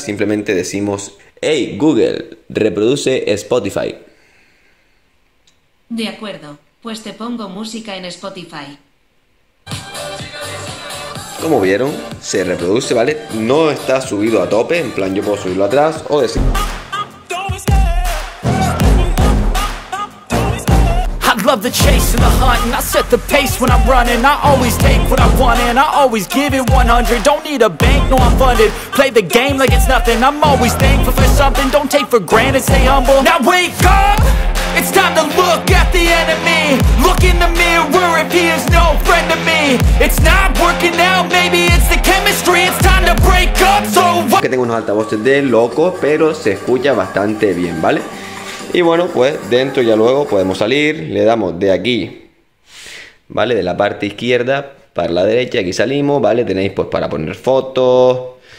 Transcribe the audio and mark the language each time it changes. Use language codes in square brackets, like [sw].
[es] Simplemente decimos, hey, Google, reproduce Spotify. De acuerdo, pues te pongo música en Spotify. Como vieron, se reproduce, ¿vale? No está subido a tope, en plan yo puedo subirlo atrás o decir... [en] Love the chase and the hunt, and I set the pace when I'm running. I always take what I want, and I always give it 100. Don't need a bank, no, I'm funded. Play the game like it's nothing. I'm always thankful for something. Don't take for granted, stay humble. Now wake up, it's time to look at the enemy. Look in the mirror if he is no friend to me. It's not working out, maybe it's the chemistry. It's time to break up. [es] So que tengo unos altavoces de loco, pero se escucha bastante bien, ¿vale? Y bueno, pues dentro ya luego podemos salir, le damos de aquí, ¿vale? De la parte izquierda para la derecha, aquí salimos, ¿vale? Tenéis pues para poner fotos,